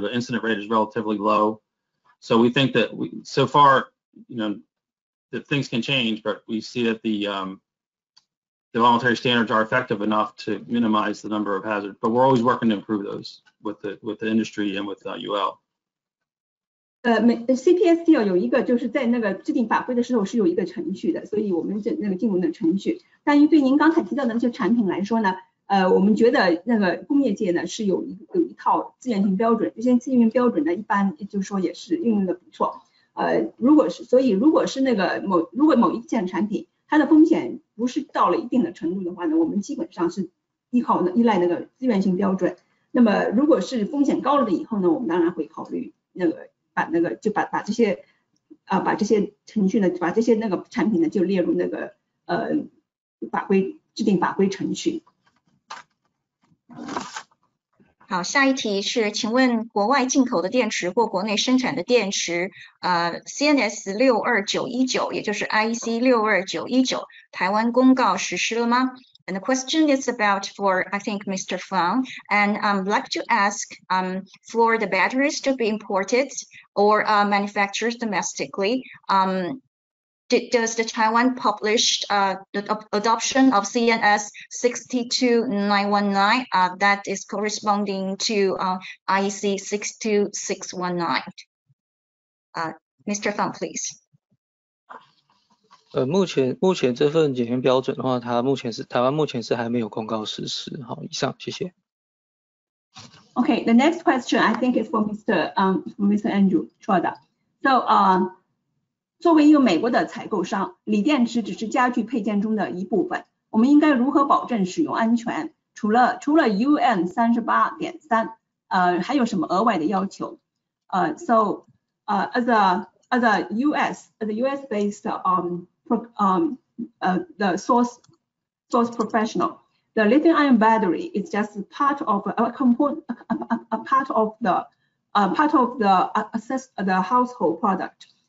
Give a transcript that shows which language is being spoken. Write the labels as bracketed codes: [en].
[en] The incident rate is relatively low, so we think that so far, that things can change, but we see that the voluntary standards are effective enough to minimize the number of hazards. But we're always working to improve those with the industry and with UL. [zh] CPSC 有一个就是在那个制定法规的时候是有一个程序的，所以我们这那个进入的程序。但于对您刚才提到的那些产品来说呢，我们觉得那个工业界呢是有一套自愿性标准，这些自愿标准呢一般就是说也是运用的不错。如果某一件产品它的风险不是到了一定的程度的话呢，我们基本上是依赖那个自愿性标准。那么如果是风险高了以后呢，我们当然会考虑把这些产品呢就列入那个法规制定法规程序。好，下一题是，请问国外进口的电池或国内生产的电池，CNS 62919，也就是 IEC 62919，台湾公告实施了吗？ [en] And the question is about for, I think, Mr. Fang, and I'd like to ask for the batteries to be imported or manufactured domestically. Does the Taiwan publish the adoption of CNS 62919 that is corresponding to IEC 62619? Mr. Fang, please. [zh] 目前这份检验标准的话，它目前是台湾目前是还没有公告实施。好，以上，谢谢。 [en] Okay, the next question I think is for Mr. Andrew Chuada. [zh] So, 作为一个美国的采购商，锂电池只是家具配件中的一部分，我们应该如何保证使用安全？除了 UN 38.3，还有什么额外的要求？ [en] As a US-based source professional, the lithium-ion battery is just part of the household product.